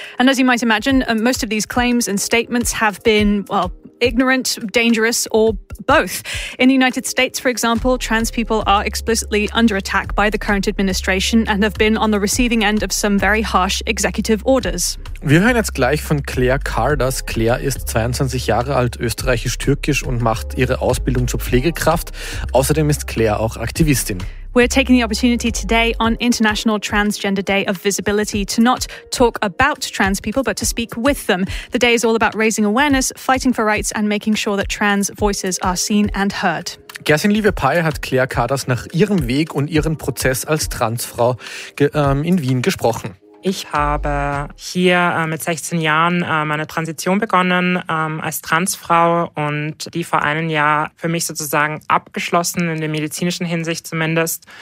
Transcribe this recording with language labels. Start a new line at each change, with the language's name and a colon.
English: And as you might imagine, most of these claims and statements have been, well, ignorant, dangerous, or both. In the United States, for example, trans people are explicitly under attack by the current administration and have been on the receiving end of some very harsh executive orders.
German: Wir hören jetzt gleich von Claire Cardas. Claire ist 22 Jahre alt, österreichisch-türkisch und macht ihre Ausbildung zur Pflegekraft. Außerdem ist Claire auch Aktivistin.
English: We're taking the opportunity today on International Transgender Day of Visibility to not talk about trans people, but to speak with them. The day is all about raising awareness, fighting for rights and making sure that trans voices are seen and heard.
German: Gersin Liewe-Pey hat Claire Cardas nach ihrem Weg und ihrem Prozess als Transfrau in Wien gesprochen. Ich habe hier mit 16 Jahren meine Transition begonnen als Transfrau und die vor einem Jahr für mich sozusagen abgeschlossen, in der medizinischen Hinsicht zumindest.